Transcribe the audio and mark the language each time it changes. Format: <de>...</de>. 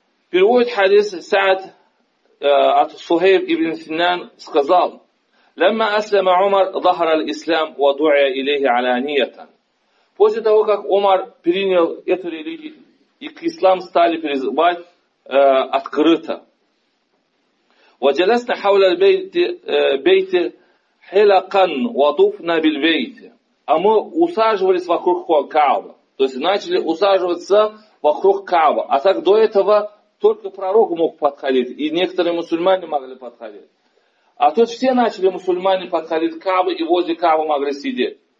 <ru>Переводит хадис Саад от Сухейб ибн Синан, сказал:</ru> <ar>«Лямма аслама Умар захара ал-ислам ва дуя илейхи аланиятан».</ar> <ru>После того, как Умар принял эту религию, и к ислам стали призывать открыто.</ru> <ar>وجلسنا حول البيت بيت حلقا وضفنا بالبيت.</ar> <ru>А мы усаживались вокруг Каабы. То есть начали усаживаться вокруг Каабы. А так до этого только пророк мог подходить, и некоторые мусульмане могли подходить. А тут все начали мусульмане подходить к Каабе, и возле Каабы могли сидеть.</ru>